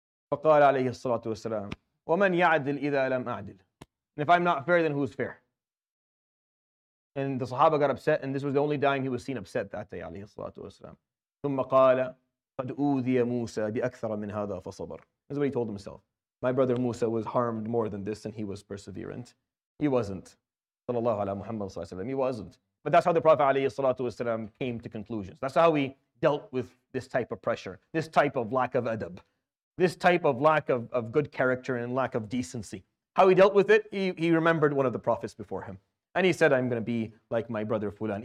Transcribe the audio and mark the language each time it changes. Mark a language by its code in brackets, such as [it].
[ar] فقال عليه الصلاة والسلام ومن يعدل إذا لم أعدل. [en] And if I'm not fair, then who's fair? And the Sahaba got upset, and this was the only time he was seen upset that day, عليه الصلاة والسلام. [ar] ثم قال قد أوذي موسى بأكثر من هذا فصبر. [en] This is what he told himself. My brother Musa was harmed more than this, and he was perseverant. He wasn't. [ar] صلى الله على محمد صلى الله عليه وسلم. [en] He wasn't. But that's how the Prophet عليه الصلاة والسلام came to conclusions. That's how he dealt with this type of pressure, this type of lack of adab, this type of lack of good character and lack of decency. How he dealt with it, he remembered one of the prophets before him. And he said, I'm going to be like my brother Fulan.